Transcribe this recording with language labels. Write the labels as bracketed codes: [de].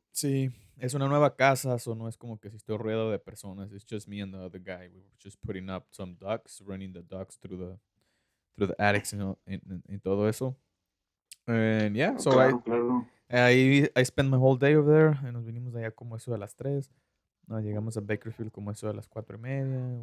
[es] Sí, es una nueva casa, [en] so [es] no es como que si estoy rodeado de personas. [en] It's just me and the other guy. We were just putting up some ducts, running the ducts through the attics and [es] todo eso. [en] And yeah, so [es] claro, [en] I spent my whole day over there. [es] Y nos vinimos allá como eso de las 3. No, llegamos a Bakersfield como eso de las 4:30.